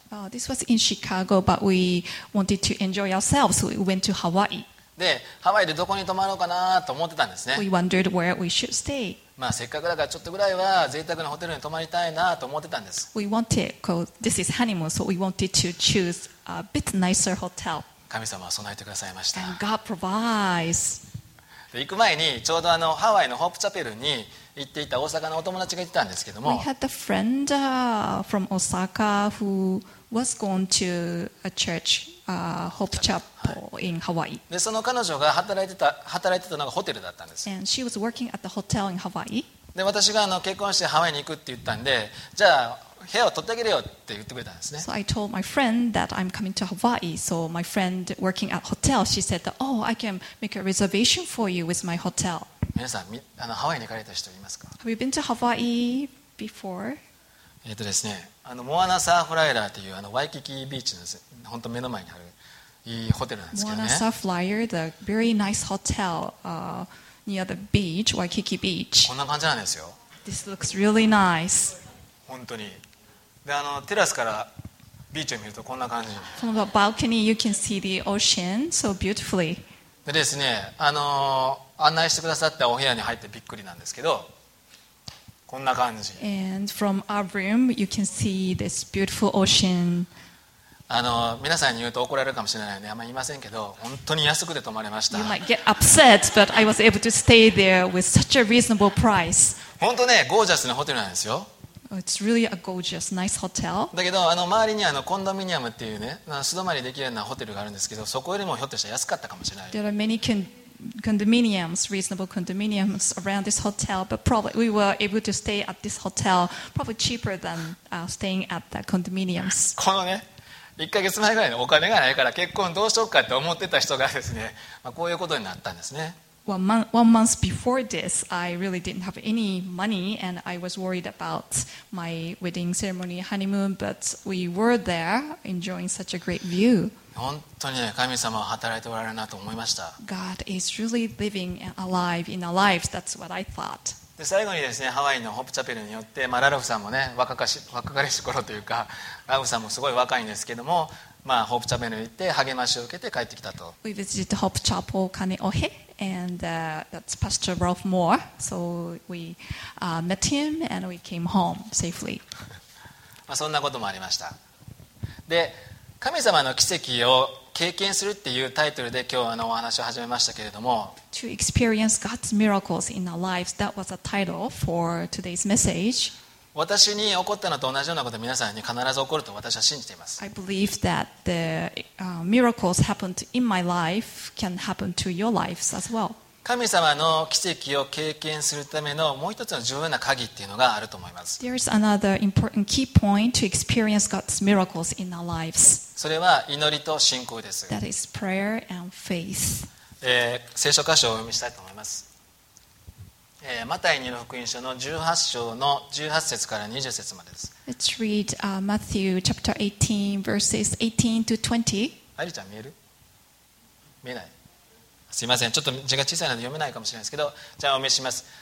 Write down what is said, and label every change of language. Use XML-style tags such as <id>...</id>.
<en>This was in Chicago, but we wanted to enjoy ourselves, so we went to Hawaii.</en> <ja>で、ハワイでどこに泊まろうかなと思ってたんですね。</ja> <en>We wondered where we should stay.</en> <ja>まあ、せっかくだからちょっとぐらいは贅沢なホテルに泊まりたいなと思ってたんです。</ja> <en>We wanted, this is honeymoon, so we wanted to choose a bit nicer hotel.</en> <ja>神様は備えてくださいました。</ja> <en>And God provides.</en> <ja>で、行く前にちょうどあのハワイのホープチャペルに行っていた大阪のお友達がいてたんですけども。</ja> <en>We had a friend from Osaka who was going to a church, Hope Chapel in Hawaii.</en> <ja>で、その彼女が働いてたのがホテルだったんです。</ja> <en>And she was working at the hotel in Hawaii.</en> <ja>で、私があの結婚してハワイに行くって言ったんで、じゃあ部屋を取ってあげるよって言ってくれたんですね。</ja> <en>So I told my friend that I'm coming to Hawaii. So my friend working at hotel, she said that, oh, I can make a reservation for you with my hotel.</en> <ja>皆さん、あのハワイに行かれた人いますか？</ja> <en>Have you been to Hawaii before?</en> <ja>ですね、あのモアナサーフライラーというあのワイキキビーチの本当目の前にあるいいホテルなんですけどね。</ja> <en>モアナサーフライラー、the very nice hotel near the beach, Waikiki Beach。</en> <ja>こんな感じなんですよ。</ja> <en>This looks really nice。</en> <ja>本当に。で、あのテラスからビーチを見るとこんな感じ。</ja> <en>From the balcony, you can see the ocean so beautifully。</en> <ja>でですね、あの案内してくださったお部屋に入ってびっくりなんですけど。こんな感じ。</ja> <en>And from our room, you can see this beautiful ocean.</en> <ja>あの皆さんに言うと怒られるかもしれないね。あんま言いませんけど、本当に安くて泊まれました。</ja> <en>You might get upset, but I was able to stay there with such a reasonable price.</en> <ja>本当ね、ゴージャスなホテルなんですよ。</ja> <en>It's really a gorgeous, nice hotel.</en> <ja>だけどあの周りにあのコンドミニアムっていうね、素泊まりできるようなホテルがあるんですけど、そこよりもひょっとしたら安かったかもしれない。</ja> <en>There are many condominiums, reasonable condominiums around this hotel, but probably we were able to stay at this hotel probably cheaper than staying at the condominiums.</en> <ja>このね、1ヶ月前ぐらいのお金がないから結婚どうしようかって思ってた人がですね、まあ、こういうことになったんですね。</ja> <en>One month before this, I really didn't have any money and I was worried about my wedding ceremony honeymoon, but we were there enjoying such a great view.</en> <ja>本当に、ね、神様は働いておられるなと思いました。</ja> <en>God is really living and alive in our lives. That's what I thought.</en> <ja>で最後にですね、ハワイのホープチャペルによって、まあ、ラルフさんもね、若かりし頃というか、ラルフさんもすごい若いんですけども、まあ、ホープチャペルに行って励ましを受けて帰ってきたと。</ja> <en>We visited Hope Chapel Kaneohe, and that's Pastor Ralph Moore. So we met him and we came home safely.</en> <ja>まあそんなこともありました。で。神様の奇跡を経験するっていうタイトルで今日あのお話を始めましたけれども、</ja> <en>To experience God's miracles in our lives, that was a title for today's message.</en> <ja>私に起こったのと同じようなことが皆さんに必ず起こると私は信じています。</ja> <en>I believe that the miracles happened in my life can happen to your lives as well.</en> <ja>神様の奇跡を経験するためのもう一つの重要な鍵っていうのがあると思います。</ja> <en>There is another important key point to experience God's miracles in our lives.</en> <ja>それは祈りと信仰です。</ja> <en>That is prayer and faith.</en> <ja>聖書箇所をお読みしたいと思います。マタイによる福音書の18章の18節から20節までです。</ja> <en>Let's read Matthew chapter 18 verses 18 to 20.</en> <ja>アリちゃん見える？見えない。すいません、ちょっと字が小さいので読めないかもしれないですけど、じゃあお読みします。</ja>